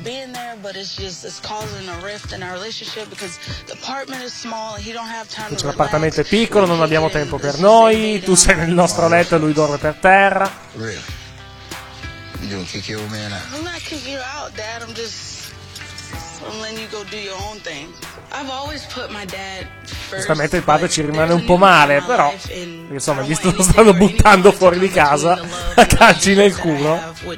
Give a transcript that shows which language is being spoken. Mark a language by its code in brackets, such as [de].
[it] Dice, l'appartamento è piccolo, non abbiamo tempo per noi, tu sei nel nostro letto e lui dorme per terra. [en] You kick your man out. I'm not kicking you out, Dad, I'm letting you go do your own thing. I've always put my dad first. [it] Giustamente il padre ci rimane un po' male, però insomma gli stanno buttando fuori di casa a calci nel culo.